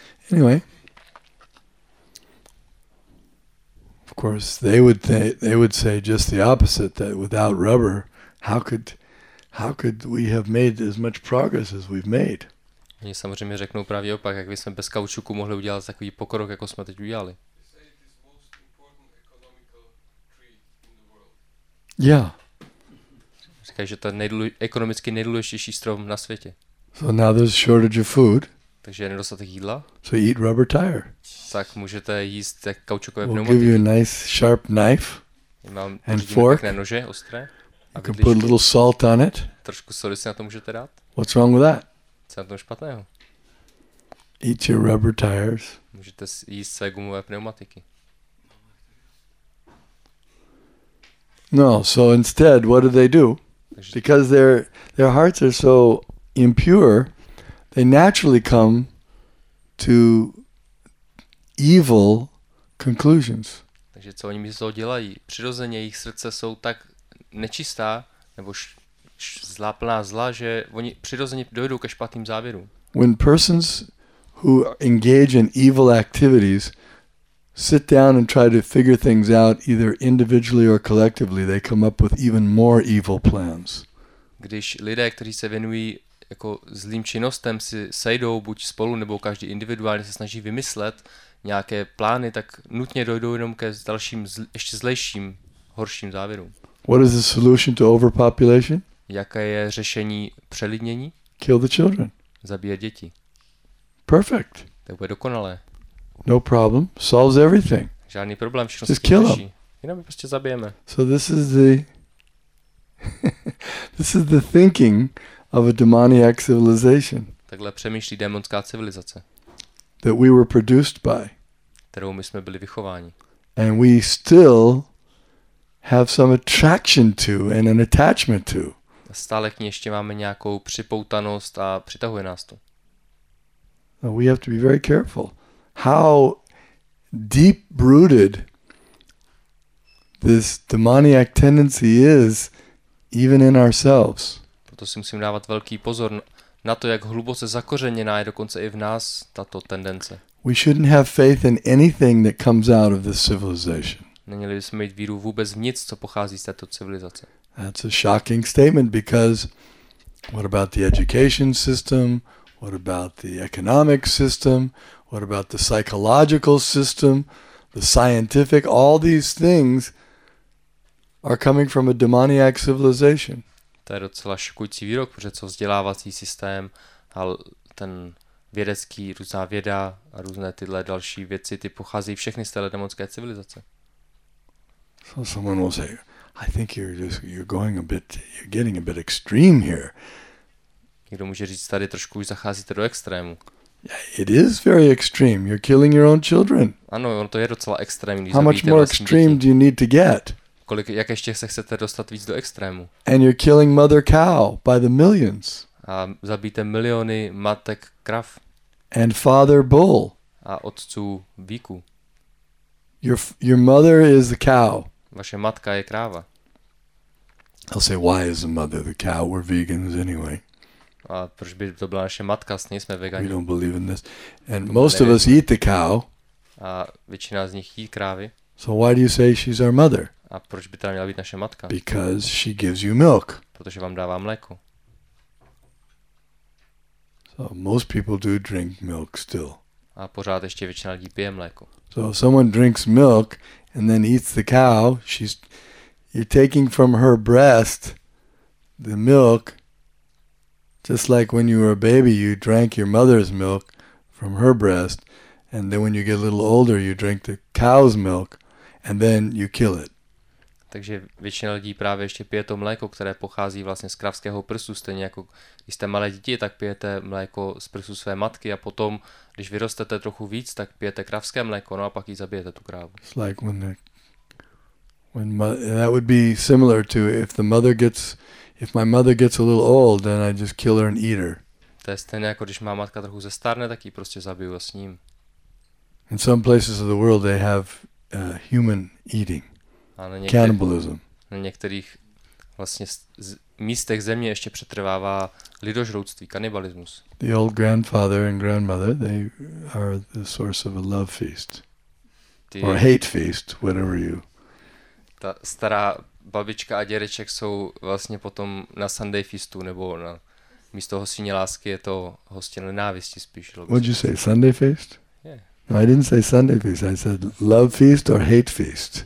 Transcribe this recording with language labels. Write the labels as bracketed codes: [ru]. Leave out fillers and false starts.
[en] Anyway, of course, they would say just the opposite, that without rubber, how could we have made as much progress as we've made? [cs] Oni samozřejmě řeknou právě opak, jak bychom bez kaučuku mohli udělat takový pokrok, jako jsme teď udělali. [en] Yeah. [cs] Říkají, že to je ekonomicky nejdůležitější strom na světě. [en] So now there's shortage of food. [cs] Takže je nedostatek jídla. [en] So eat rubber tire. [cs] Tak můžete jíst jak kaučukové pneumatiky. [en] We'll give you a nice sharp knife and fork. [cs] Pěkné nože, ostré. [en] You can put a little salt on it. [cs] Trošku soli si na to můžete dát. [en] What's wrong with that? [cs] Co je na tom špatného? [en] Eat your rubber tires. [cs] Můžete jíst své gumové pneumatiky. [en] No, so instead, what do they do? Because their hearts are so impure, they naturally come to evil conclusions. [cs] Takže co oni místo dělají? Přirozeně jejich srdce jsou tak nečistá, nebo zlá plná zla, že oni přirozeně dojdou ke špatným závěrům. [en] When persons who engage in evil activities sit down and try to figure things out either individually or collectively, they come up with even more evil plans. [cs] Když lidé, kteří se věnují jako zlým činnostem, si sejdou buď spolu nebo každý individuálně se snaží vymyslet nějaké plány, tak nutně dojdou jenom ke dalším ještě zlejším, horším závěrům. [en] What is the solution to overpopulation? [cs] Jaké je řešení přelidnění? [en] Kill the children. [cs] Zabíjet děti. [en] Perfect. [cs] To bude dokonalé. [en] No problem, solves everything. [cs] Žádný problém, všechno se vyřeší. [en] Just kill them. [cs] Jinak prostě zabijeme. [en] So this is the thinking of a demoniac civilization. [cs] Takhle přemýšlí démonská civilizace. [en] That we were produced by. [cs] Kterou my jsme byli vychováni. [en] And we still have some attraction to and an attachment to. [cs] A stále k ní ještě máme nějakou připoutanost a přitahuje nás to. [en] So we have to be very careful. How deep rooted this demoniac tendency is even in ourselves. [cs] Proto si musím dávat velký pozor na to, jak hluboce zakořeněná je dokonce i v nás tato tendence. [en] We shouldn't have faith in anything that comes out of this civilization. [cs] Neměli bychom mít víru vůbec v nic, co pochází z této civilizace. [en] That's a shocking statement, because what about the education system? What about the economic system? What about the psychological system, the scientific, all these things are coming from a demoniac civilization. [cs] To je docela šokující výrok, protože co vzdělávací systém a ten vědecký, různá věda a různé tyhle další věci, ty pochází všechny z téhle demonské civilizace. [en] So someone will say, I think you're getting a bit extreme here. [cs] Někdo může říct, tady trošku už zacházíte do extrému. [en] It is very extreme. You're killing your own children. [cs] Ano, on to je docela extrémní. [en] How much more extreme do you need to get? [cs] Kolik, jak ještě se chcete dostat víc do extrému? [en] And you're killing mother cow by the millions. [cs] A zabijete miliony matek krav. [en] And father bull. [cs] A otců víku. [en] Your mother is the cow. [cs] Vaše matka je kráva. [en] I'll say, why is the mother the cow? We're vegans anyway. [cs] A proč by to byla naše matka, s ní jsme vegani. [en] We don't believe in this. And most of us eat the cow. [cs] A většina z nich jí krávy. [en] So why do you say she's our mother? [cs] A proč by teda měla být naše matka? [en] Because she gives you milk. [cs] Protože vám dává mléko. [en] So most people do drink milk still. [cs] A pořád ještě většina lidí pije mléko. [en] So if someone drinks milk and then eats the cow, you're taking from her breast the milk. Just like when you were a baby, you drank your mother's milk from her breast, and then when you get a little older, you drink the cow's milk, and then you kill it. [cs] Takže většina lidí právě ještě pije to mléko, které pochází vlastně z kravského prsu, stejně jako když jste malé dítě, tak pijete mléko z prsu své matky, a potom, když vyrostete trochu víc, tak pijete kravské mléko, no a pak jí zabijete tu krávu. [en] It's like that would be similar to if my mother gets a little old, then I just kill her and eat her. [cs] To je stejné, jako když má matka trochu zestárne, tak ji prostě zabiju s ním. [en] In some places of the world they have human eating. Cannibalism. [cs] Na některých vlastně z místech země ještě přetrvává lidožroutství, kanibalismus. [en] The old grandfather and grandmother, they are the source of a love feast. Or hate feast, whatever you. [cs] Ta stará babička a dědeček jsou vlastně potom na [en] Sunday feastu, [cs] nebo na místo hostině lásky je to hostin nenávisti spíš. [en] What did you say, Sunday feast? No, I didn't say Sunday feast, I said love feast or hate feast.